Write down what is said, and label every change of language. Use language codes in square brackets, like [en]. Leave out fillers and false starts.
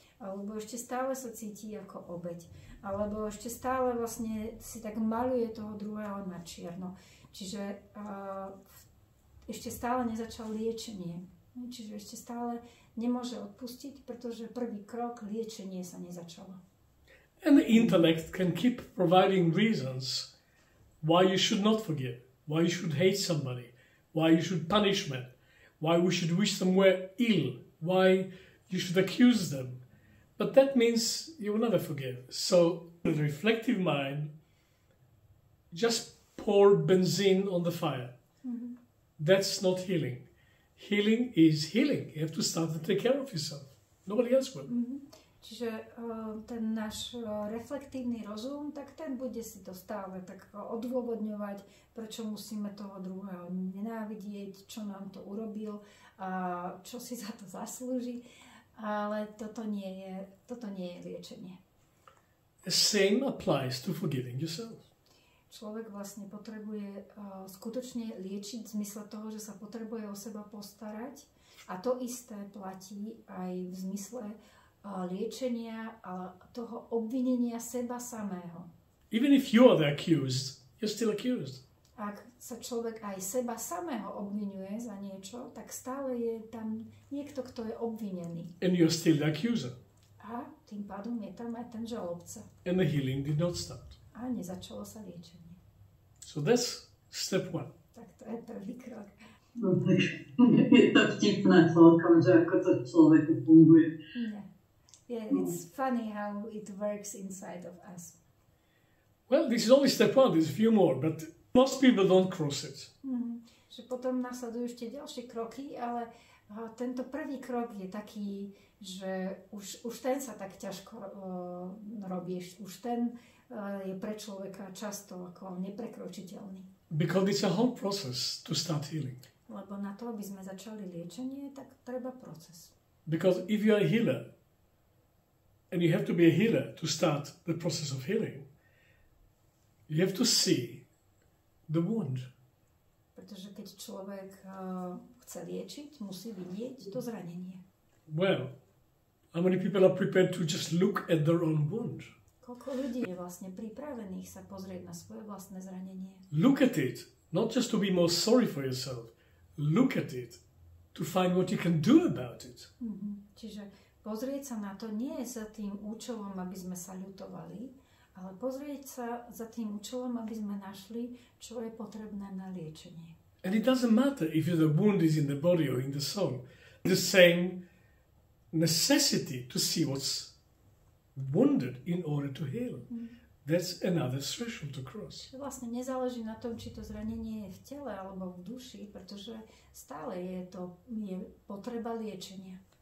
[sk] Alebo ešte stále sa cíti ako obeť. Alebo ešte stále vlastne si tak maluje toho druhého na čierno. Čiže ešte stále nezačal liečenie. Čiže ešte stále nemôže odpustiť, pretože prvý krok liečenie sa nezačalo. [en] And the intellect can keep providing reasons why you should not forgive, why you should hate somebody, why you should punish them, why we should wish them were ill, why you should accuse them. But that means you will never forgive. So the reflective mind, just pour benzene on the fire. Mm-hmm. That's not healing. Healing is healing. You have to start to take care of yourself. Nobody else will. Mm-hmm. [sk] Čiže ten náš reflektívny rozum, tak ten bude si to stále tak odôvodňovať, prečo musíme toho druhého nenávidieť, čo nám to urobil a čo si za to zaslúži. Ale toto nie je liečenie. [en] The same applies to forgiving yourself. [sk] Človek vlastne potrebuje skutočne liečiť v zmysle toho, že sa potrebuje o seba postarať. A to isté platí aj v zmysle liečenia a toho obvinenia seba samého. [en] Even if you are the accused, you're still accused. [sk] Ak sa človek aj seba samého obvinuje za niečo, tak stále je tam niekto, kto je obvinený. [en] And you're still the accuser. [sk] A tým pádom je tam aj ten žalobca. [en] And the healing did not start. [sk] A nezačalo sa liečenie. [en] So that's step one. [sk] Tak to je prvý krok. No tak je to vtipné celkom, že ako to človeku funguje. [en] Yeah, it's funny how it works inside of us. Well, this is only step one, there's a few more, but most people don't cross it. Mm-hmm. [sk] Že potom nasledujú ešte ďalšie kroky, ale tento prvý krok je taký, že už ten sa tak ťažko robíš. Už ten je pre človeka často ako neprekročiteľný. [en] Because it's a whole process to start healing. [sk] Lebo na to, aby sme začali liečenie, tak treba proces. [en] Because if you are a healer, and you have to be a healer to start the process of healing, you have to see the wound. [sk] Pretože keď človek chce liečiť, musí vidieť to zranenie. [en] Well, how many people are prepared to just look at their own wound? [sk] Koľko ľudí je vlastne pripravených sa pozrieť na svoje vlastné zranenie? [en] Look at it, not just to be more sorry for yourself. Look at it to find what you can do about it. Mm-hmm. [sk] Čiže pozrieť sa na to nie je za tým účelom, aby sme sa ľutovali, ale pozrieť sa za tým účelom, aby sme našli, čo je potrebné na liečenie. [en] And it doesn't matter if the wound is in the body or in the soul. The same necessity to see what's wounded in order to heal. That's another threshold to cross. [sk] Vlastne nezáleží na tom, či to zranenie je v tele alebo v duši, pretože stále je to potreba liečenia.